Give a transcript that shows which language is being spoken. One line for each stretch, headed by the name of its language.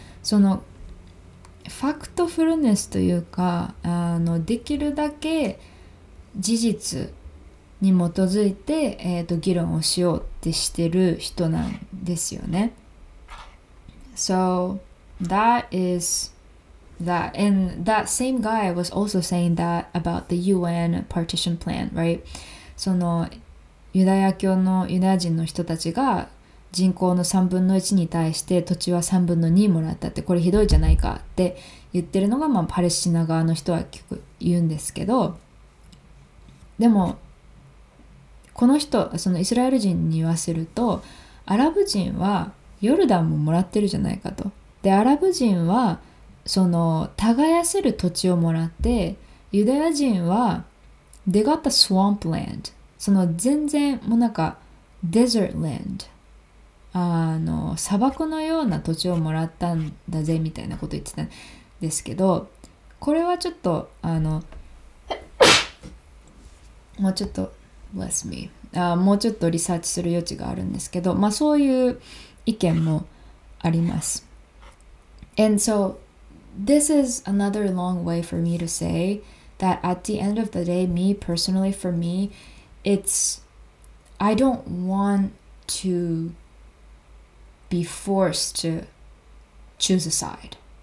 Japanese: そのファクトフルネスというか、できるだけ事実に基づいて、議論をしようってしてる人なんですよね。
English: So that is that. And that same guy was also saying that about the UN partition plan, right?
Japanese: そのユダヤ教のユダヤ人の人たちが人口の3分の1に対して土地は3分の2もらったって、これひどいじゃないかって言ってるのが、まあ、パレスチナ側の人は結構言うんですけど、でもこの人、そのイスラエル人に言わせると、アラブ人はヨルダンももらってるじゃないかと。で、アラブ人はその耕せる土地をもらって、ユダヤ人は
English: they got the swamp land、
Japanese: その全然もうなんかデザートランド、砂漠のような土地をもらったんだぜみたいなこと言ってたんですけど、これはちょっともうちょっと
English: bless me、
Japanese: もうちょっとリサーチする余地があるんですけど、まあそういう意見もあります。
English: And so this is another long way for me to say that at the end of the day, me personally, for meIt's, I don't want to be forced to choose a side.